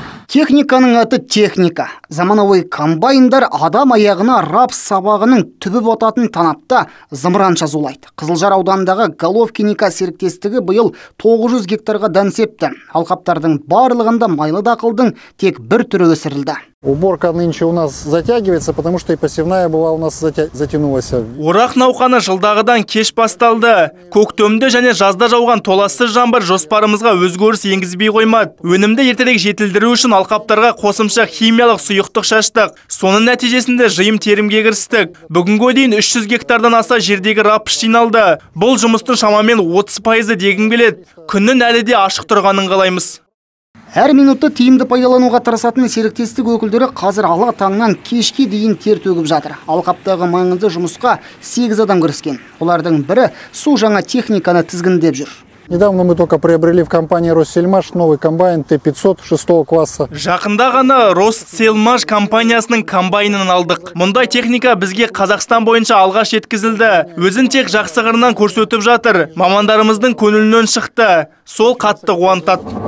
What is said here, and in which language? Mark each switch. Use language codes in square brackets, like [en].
[kk] Техниканың аты техника. Заманауи комбайндар адам аяғына рапс сабағының түбі бататын танапта зымыран жазулайды. Қызылжар ауданындағы Головкиника серіктестігі бұл 900 гектарға дән септі. Алқаптардың барлығында майлы дақылдың тек бір түрі өсірілді. [ru] Уборка нынче у нас затягивается, потому что и посевная была у нас затянулась. [kk] Орақ науқаны жылдағыдан кеш басталды. Көктемде және жазда жауған толассыз жаңбыр жоспарымызға өзгеріс енгізбей қоймады. Өнімді ертерек жетілдіру үшін алқаптарға қосымша химиялық сұйықтық шаштық. Соның нәтижесінде жиым терімге кірістік. Бүгінгі дейін 300 гектардан аса жердегі рапс жиналды. Бұл жұмыстың шамамен 30% дегін келеді. Күннің әлі де ашық тұрғанын қалаймыз. Әр минутты тиімді пайдалануға тырысатын серіктестік өкілдері қазір ала таңнан кешке дейін тер төгіп жатыр. Алқаптағы маңызды жұмысқа 8 адам кіріскен. Олардың бірі су жаңа техниканы тізгіндеп жүр. [ru] Недавно мы только приобрели в компании Россельмаш новый комбайн Т500 6 класса. [kk] Жақында ғана Россельмаш компаниясының комбайнын алдық. Мұндай техника бізге Қазақстан бойынша алғаш жеткізілді. Өзін тек жақсы қырынан көрсетіп жатыр. Мамандарымыздың көңілінен шықты. Сол қатты қуантады.